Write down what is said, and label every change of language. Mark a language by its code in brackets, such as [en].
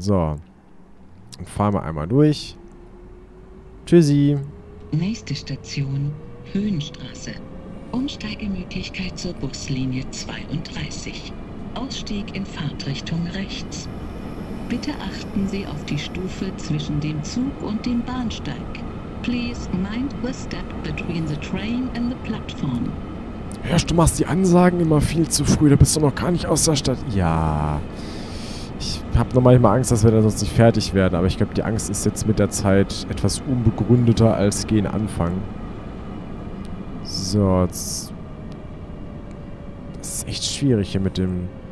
[de] So. Dann fahren wir einmal durch. Tschüssi. Nächste Station, Höhenstraße. Umsteigemöglichkeit zur Buslinie 32. Ausstieg in Fahrtrichtung rechts. Bitte achten Sie auf die Stufe zwischen dem Zug und dem Bahnsteig. [en] Please mind the step between the train and the platform. [de] Hörst du, machst die Ansagen immer viel zu früh. Da bist du noch gar nicht aus der Stadt. Ja. Ich habe noch manchmal Angst, dass wir dann sonst nicht fertig werden. Aber ich glaube, die Angst ist jetzt mit der Zeit etwas unbegründeter als gegen Anfang. So, das ist echt schwierig hier mit dem...